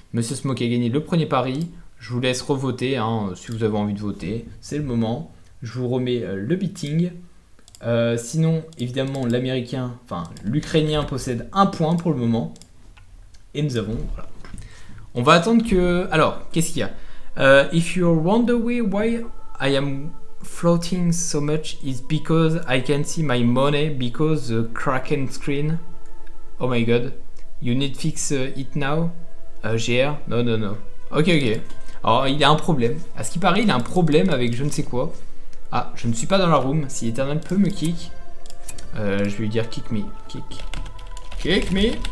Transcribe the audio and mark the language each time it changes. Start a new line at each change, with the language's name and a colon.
French: Monsieur Smoke a gagné le premier pari. Je vous laisse revoter, hein, si vous avez envie de voter. C'est le moment. Je vous remets le beating. Sinon, évidemment, l'américain, enfin, l'ukrainien possède un point pour le moment. Et nous avons. Voilà. On va attendre que. Alors, qu'est-ce qu'il y a?
English: If you wonder why I am floating so much is because I can see my money because the Kraken screen. Oh my god, you need fix it now.
French: GR, no. Ok. Alors il a un problème. À ce qui paraît, il a un problème avec je ne sais quoi. Ah, je ne suis pas dans la room. Si Eternal peut me kick, je vais lui dire
English: kick me. Kick me.